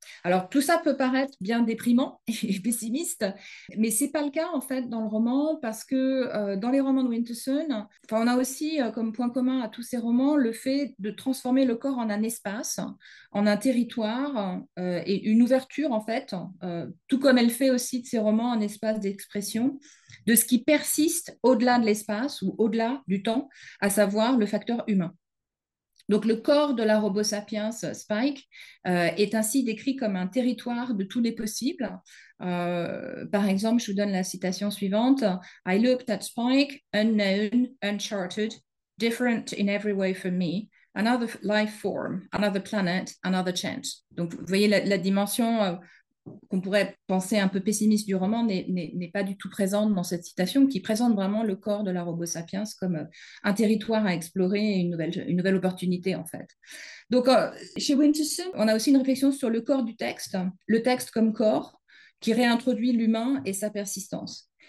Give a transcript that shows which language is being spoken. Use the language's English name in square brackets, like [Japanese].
[French] Alors, tout ça peut paraître bien déprimant et pessimiste, mais ce n'est pas le cas en fait dans le roman, parce que dans les romans de Winterson, on a aussi comme point commun à tous ces romans le fait de transformer le corps en un espace, en un territoire, et une ouverture en fait, tout comme elle fait aussi de ses romans un espace d'expression de ce qui persiste au-delà de l'espace ou au-delà du temps, à savoir le facteur humain. Donc le corps de la robot sapiens Spike est ainsi décrit comme un territoire de tous les possibles. Par exemple, je vous donne la citation suivante. [English] « I looked at Spike, unknown, uncharted, different in every way from me, another life form, another planet, another chance. [French] » Donc vous voyez, la dimension qu'on pourrait penser un peu pessimiste du roman n'est pas du tout présente dans cette citation, qui présente vraiment le corps de la robot sapiens comme un territoire à explorer et une nouvelle opportunité en fait. Donc chez Winterson, on a aussi une réflexion sur le corps du texte, le texte comme corps qui réintroduit l'humain et sa persistance.